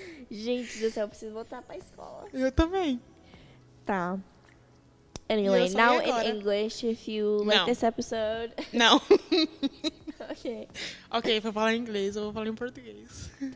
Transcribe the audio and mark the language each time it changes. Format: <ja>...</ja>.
<pt>Gente do céu, eu preciso voltar pra escola. Eu também. Tá.</pt> <en>Anyway, now in English, if you like this episode.</en> <pt>Não. Ok. Ok, vou falar em inglês, eu vou falar em português.</pt>